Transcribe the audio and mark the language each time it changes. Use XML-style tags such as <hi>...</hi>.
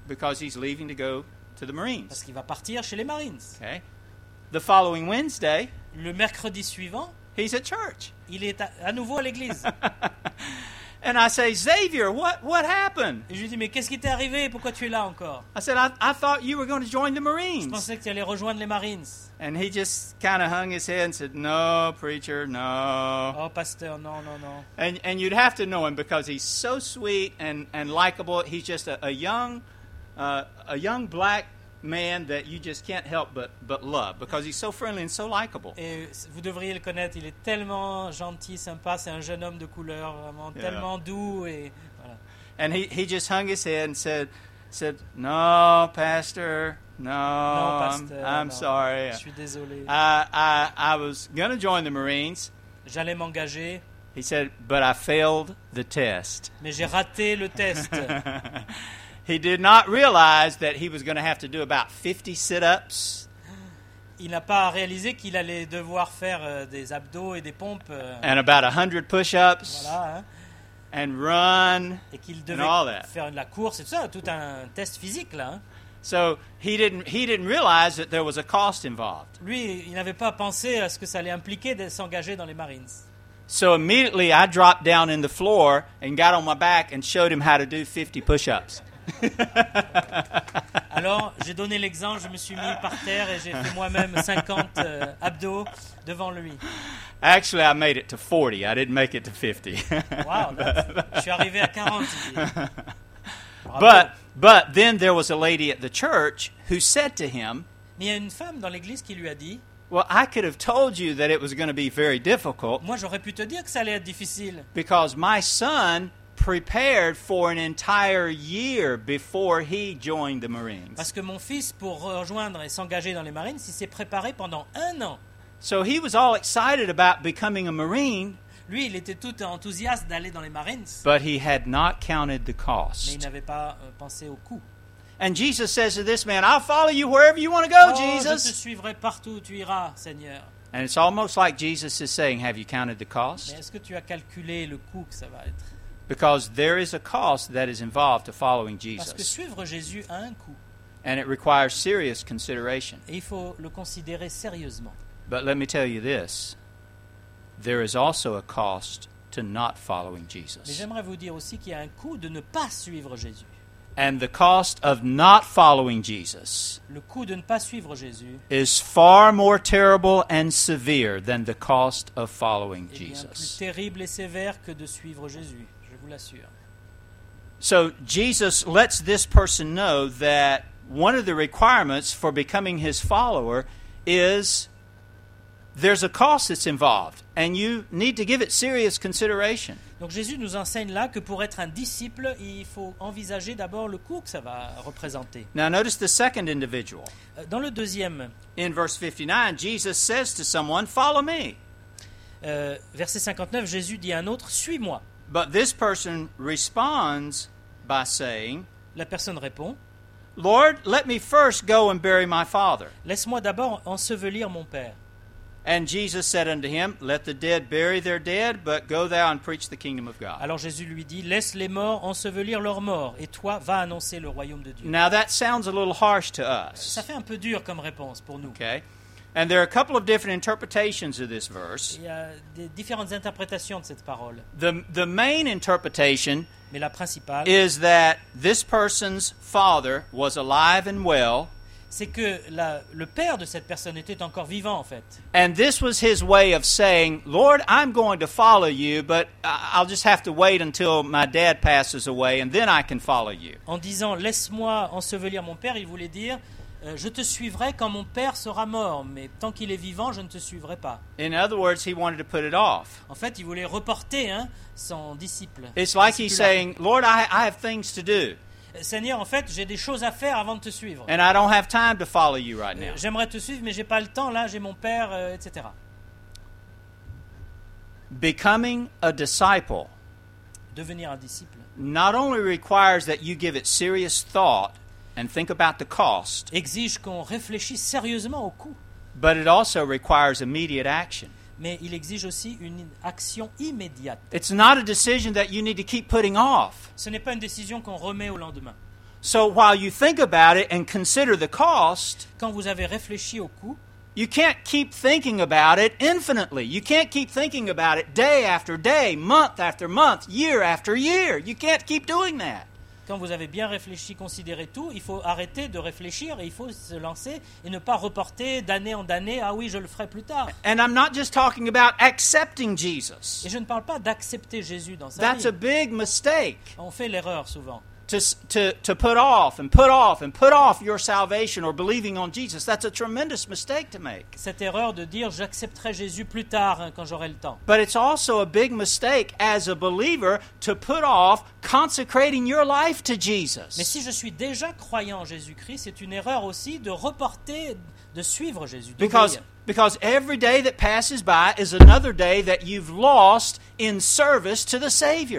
<en>Because he's leaving to go to the Marines.</en> <fr>Parce qu'il va partir chez les Marines.</fr> <en>Okay. The following Wednesday,</en> <fr>le mercredi suivant,</fr> <en>he's at church.</en> <fr>Il est à nouveau à l'église.</fr> <en>And I say, Xavier, what happened?</en> <fr>Et je lui dis, mais qu'est-ce qui t'est arrivé? Pourquoi tu es là encore?</fr> <en>I said, I thought you were going to join the Marines.</en> <fr>Je pensais que tu allais rejoindre les Marines.</fr> <en>And he just kind of hung his head and said, no, preacher, no.</en> <fr>Oh, pasteur, non, non, non.</fr> <en>And you'd have to know him because he's so sweet and likable. He's just a young black man that you just can't help but love because he's so friendly and so likable.</en> <fr>Et vous devriez le connaître, il est tellement gentil, sympa, c'est un jeune homme de couleur, vraiment yeah. Tellement doux et voilà.</fr> <en>And he just hung his head and said no, pastor, no.</en> <fr>Non, pasteur,</fr> <en>I'm sorry.</en> <fr>Je suis désolé.</fr> <en>I was going to join the Marines.</en> <fr>J'allais m'engager.</fr> <en>He said, but I failed the test.</en> <fr>Mais j'ai raté le test.</fr> <en>He did not realize that he was going to have to do about 50 sit-ups.</en> <fr>Il n'a pas réalisé qu'il allait devoir faire des abdos et des pompes.</fr> <en>And about 100 push-ups.</en> <fr>Voilà. Hein.</fr> <en>And run.</en> <fr>Et qu'il devait faire de la course et tout ça, tout un test physique là. Hein.</fr> <en>So he didn't realize that there was a cost involved.</en> <fr>Lui, il n'avait pas pensé à ce que ça allait impliquer de s'engager dans les Marines.</fr> <en>So immediately I dropped down in the floor and got on my back and showed him how to do 50 push-ups.</en> <fr>Alors, j'ai donné l'exemple, je me suis mis par terre et j'ai fait moi-même 50 abdos devant lui.</fr> <en>Actually, I made it to 40. I didn't make it to 50.</en> <fr>Wow, je suis arrivé à 40.</fr> <en>But then there was a lady at the church who said to him,</en> <fr>mais il y a une femme dans l'église qui lui a dit,</fr> <en>well, I could have told you that it was going to be very difficult.</en> <fr>Moi, j'aurais pu te dire que ça allait être difficile.</fr> <en>Because my son prepared for an entire year before he joined the Marines.</en> <fr>Parce que mon fils, pour rejoindre et s'engager dans les Marines, il s'est préparé pendant un an.</fr> <en>So he was all excited about becoming a Marine.</en> <fr>Lui, il était tout enthousiaste d'aller dans les Marines.</fr> <en>But he had not counted the cost.</en> <fr>Mais il n'avait pas pensé au coût.</fr> <en>And Jesus says to this man, I'll follow you wherever you want to go, oh, Jesus.</en> <fr>Je te suivrai partout où tu iras, Seigneur.</fr> <en>And it's almost like Jesus is saying, have you counted the cost?</en> <fr>Mais est-ce que tu as calculé le coût que ça va être?</fr> <en>Because there is a cost that is involved to following Jesus.</en> <fr>Parce que suivre Jésus a un coût.</fr> <en>And it requires serious consideration.</en> <fr>Et il faut le considérer sérieusement.</fr> <en>But let me tell you this. There is also a cost to not following Jesus.</en> <fr>Mais j'aimerais vous dire aussi qu'il y a un coût de ne pas suivre Jésus.</fr> <en>And the cost of not following Jesus,</en> <fr>le coût de ne pas suivre Jésus,</fr> <en>is far more terrible and severe than the cost of following Jesus.</en> <fr>Est bien plus terrible et sévère que de suivre Jésus. L'assure.</fr> <en>So Jesus lets this person know that one of the requirements for becoming his follower is there's a cost that's involved and you need to give it serious consideration.</en> <fr>Donc Jésus nous enseigne là que pour être un disciple, il faut envisager d'abord le coût que ça va représenter.</fr> <en>Now notice the second individual.</en> <fr>Dans le deuxième.</fr> <en>In verse 59, Jesus says to someone, follow me.</en> <fr>Verset 59, Jésus dit à un autre, suis-moi.</fr> <en>But this person responds by saying,</en> <fr>la personne répond,</fr> <en>Lord, let me first go and bury my father.</en> <fr>Laisse-moi d'abord ensevelir mon père.</fr> <en>And Jesus said unto him, let the dead bury their dead, but go thou and preach the kingdom of God.</en> <fr>Alors Jésus lui dit, laisse les morts ensevelir leurs morts, et toi, va annoncer le royaume de Dieu.</fr> <en>Now that sounds a little harsh to us.</en> <fr>Ça fait un peu dur comme réponse pour nous.</fr> <en>Okay. And there are a couple of different interpretations of this verse.</en> <fr>Il y a des différentes interprétations de cette parole.</fr> <en>The main interpretation,</en> <fr>mais la principale,</fr> <en>is that this person's father was alive and well.</en> <fr>C'est que le père de cette personne était encore vivant, en fait.</fr> <en>And this was his way of saying, Lord, I'm going to follow you, but I'll just have to wait until my dad passes away, and then I can follow you.</en> <fr>En disant, laisse-moi ensevelir mon père, il voulait dire, je te suivrai quand mon père sera mort, mais tant qu'il est vivant, je ne te suivrai pas.</fr> <en>In other words, he wanted to put it off.</en> <fr>En fait, il voulait reporter hein, son disciple.</fr> <en>It's like he's saying, Lord, I have things to do.</en> <fr>Seigneur, en fait, j'ai des choses à faire avant de te suivre.</fr> <en>And I don't have time to follow you right now.</en> <fr>J'aimerais te suivre, mais j'ai pas le temps là. J'ai mon père, etc.</fr> <en>Becoming a disciple.</en> <fr>Devenir un disciple.</fr> <en>Not only requires that you give it serious thought. And think about the cost.</en> <fr>Exige qu'on réfléchisse sérieusement au coût.</fr> <en>But it also requires immediate action.</en> <fr>Mais il exige aussi une action immédiate.</fr> <en>It's not a decision that you need to keep putting off.</en> <fr>Ce n'est pas une décision qu'on remet au lendemain.</fr> <en>So while you think about it and consider the cost,</en> <fr>quand vous avez réfléchi au coût,</fr> <en>you can't keep thinking about it infinitely. You can't keep thinking about it day after day, month after month, year after year. You can't keep doing that.</en> <fr>Quand vous avez bien réfléchi, considéré tout, il faut arrêter de réfléchir et il faut se lancer et ne pas reporter d'année en année. Ah oui, je le ferai plus tard.</fr> <en>And I'm not just talking about accepting Jesus.</en> <fr>Et je ne parle pas d'accepter Jésus dans sa vie.</fr> <en>That's a big mistake.</en> <fr>On fait l'erreur souvent.</fr> <en>To put off and put off and put off your salvation or believing on Jesus, that's a tremendous mistake to make.</en> <fr>Cette erreur de dire j'accepterai Jésus plus tard quand j'aurai le temps.</fr> <en>But it's also a big mistake as a believer to put off consecrating your life to Jesus.</en> <fr>Mais si je suis déjà croyant en Jésus-Christ, c'est une erreur aussi de reporter de suivre Jésus.</fr> <en>Because every day that passes by is another day that you've lost in service to the Savior.</en>